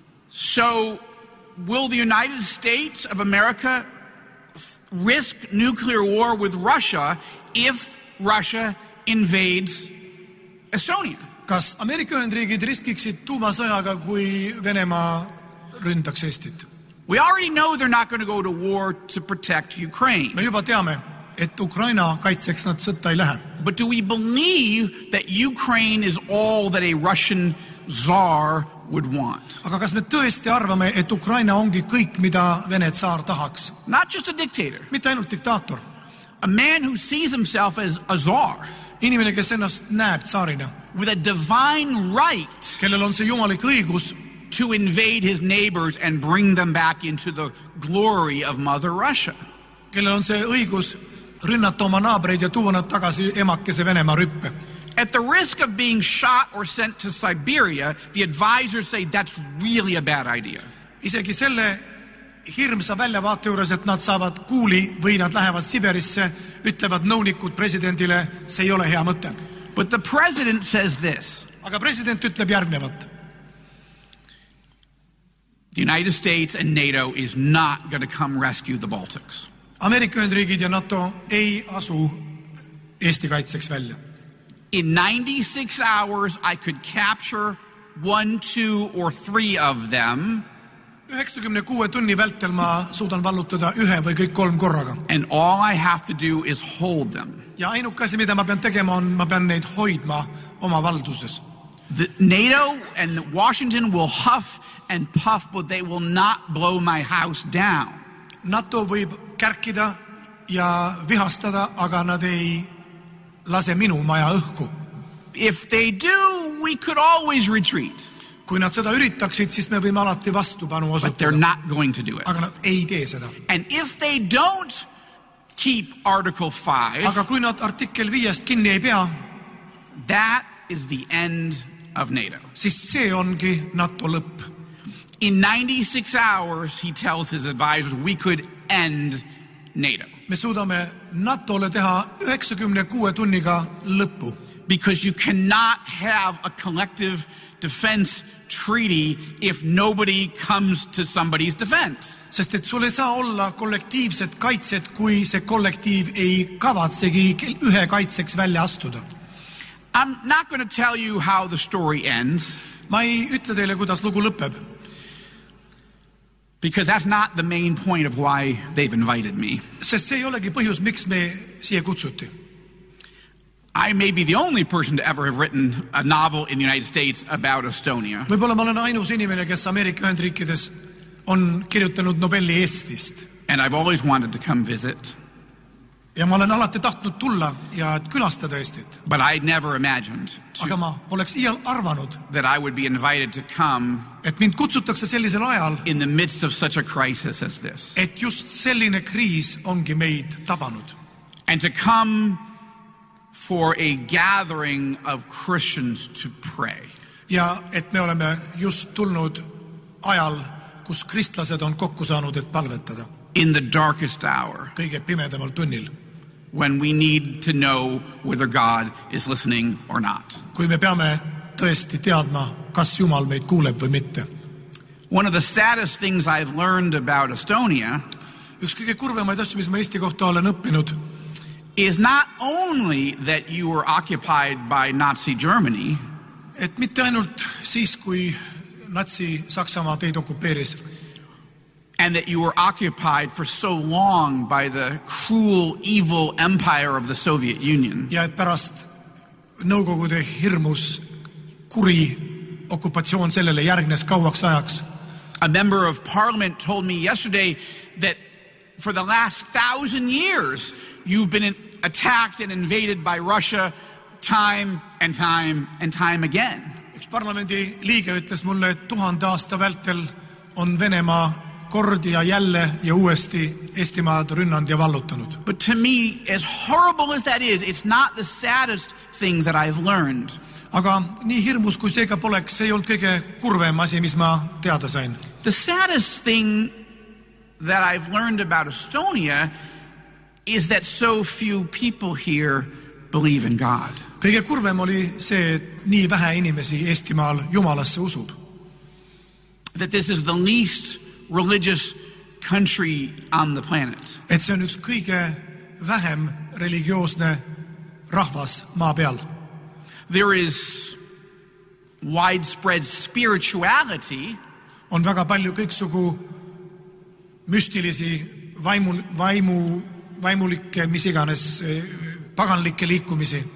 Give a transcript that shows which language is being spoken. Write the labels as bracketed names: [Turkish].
[English] So will the United States of America risk nuclear war with Russia if Russia invades Estonia? [Estonian] Kas Ameerika Ühendriigid riskiksid tuumasõjaga, kui Venema ründaks Eestit? [English] We already know they're not going to go to war to protect Ukraine. [Estonian] Me juba teame, et Ukraina kaitseks nad sõtta ei lähe. [English] But do we believe that Ukraine is all that a Russian czar would want? [Estonian] Aga kas me tõesti arvame, et Ukraina ongi kõik, mida Vene tsaar tahaks? [English] Not just a dictator. [Estonian] Mitte ainult diktaator. [English] A man who sees himself as a czar. [Estonian] Inimene, kes ennast näeb tsaarina. [English] With a divine right. [Estonian] Kellel on see jumalik õigus. [English] To invade his neighbors and bring them back into the glory of Mother Russia. [Estonian] Kellel on see õigus rünnata oma naabreid ja tuua nad tagasi emakese Venema rüppe. [English] At the risk of being shot or sent to Siberia, the advisors say that's really a bad idea. [Estonian] Isegi selle hirmsa väljavaate juures, et nad saavad kuuli või nad lähevad Siberisse, ütlevad nõunikud presidentile, see ei ole hea mõte. [English] But the president says this. [Estonian] Aga president ütleb järgnevat. [English] The United States and NATO is not going to come rescue the Baltics. [Estonian] Ameerika Ühendriigid ja NATO ei asu Eesti kaitseks välja. [English] In 96 hours I could capture one, two or three of them. [Estonian] 96 tunni vältel ma suudan vallutada ühe või kõik kolm korraga. [English] And all I have to do is hold them. [Estonian] Ja ainukasi, mida ma pean tegema, on ma pean neid hoidma oma valduses. [English] The NATO and Washington will huff and puff, but they will not blow my house down. [Estonian] NATO võib kärkida ja vihastada, aga nad ei lase minu maja õhku. [English] If they do, we could always retreat. [Estonian] Kui nad seda üritaksid, siis me võime alati vastupanu osutada. [English] But they're not going to do it. [Estonian] Aga nad ei tee seda. [English] And if they don't keep Article 5, [Estonian] aga kui nad artikkel 5 kinni ei pea, [English] that is the end of NATO. [Estonian] Siis see ongi NATO lõpp. [English] In 96 hours, he tells his advisors, we could end NATO. [Estonian] Me suudame NATOle teha 96 tunniga lõppu. [English] Because you cannot have a collective defense treaty if nobody comes to somebody's defense. [Estonian] Sest et sul ei saa olla kollektiivsed kaitsed, kui see kollektiiv ei kavatsegi ühe kaitseks välja astuda. [English] I'm not going to tell you how the story ends. [Estonian] Ma ei ütle teile, kuidas lugu lõpeb. [English] Because that's not the main point of why they've invited me. I may be the only person to ever have written a novel in the United States about Estonia. And I've always wanted to come visit. [Estonian] Ja ma olen alati tahtnud tulla ja külastada Eestit. [English] But I never imagined that I would be invited to come [Estonian] et mind kutsutakse sellisel ajal, [English] in the midst of such a crisis as this. [Estonian] Et just selline kriis ongi meid tabanud. [English] And to come for a gathering of Christians to pray. [Estonian] Ja et me oleme just tulnud ajal, kus kristlased on kokku saanud, et palvetada. [English] In the darkest hour. [Estonian] Kõige pimedamal tunnil. [English] When we need to know whether God is listening or not. [Estonian] Kui me peame tõesti teadma, kas Jumal meid kuuleb või mitte. [English] One of the saddest things I've learned about Estonia [Estonian] üks kõige kurvemaid asju, mis ma Eesti kohta olen õppinud, [English] is not only that you were occupied by Nazi Germany, [Estonian] et mitte ainult siis, kui Natsi Saksamaa teid okupeeris, [English] and that you were occupied for so long by the cruel, evil empire of the Soviet Union. [Estonian] Ja et pärast Nõukogude hirmus kuri okupatsioon sellele järgnes kauaks ajaks. [English] A member of parliament told me yesterday that for the last 1,000 years, you've been attacked and invaded by Russia time and time and time again. [Estonian] Üks parlamendi liige ütles mulle, et 1000 aasta vältel on Venemaa kord ja jälle ja uuesti Eestimaad rünnand ja vallutanud. [English] But to me, as horrible as that is, it's not the saddest thing that I've learned. [Estonian] Aga nii hirmus kui seega poleks, see ei olnud kõige kurvem asi, mis ma teada sain. [English] The saddest thing that I've learned about Estonia is that so few people here believe in God. [Estonian] Kõige kurvem oli see, et nii vähe inimesi Eestimaal Jumalasse usub. [English] That this is the least religious country on the planet. [Estonian] Et see on üks kõige vähem religioosne rahvas maa peal. [English] There is widespread spirituality. [Estonian] On väga palju kõiksugu müstilisi vaimulikke, mis iganes paganlikke liikumisi.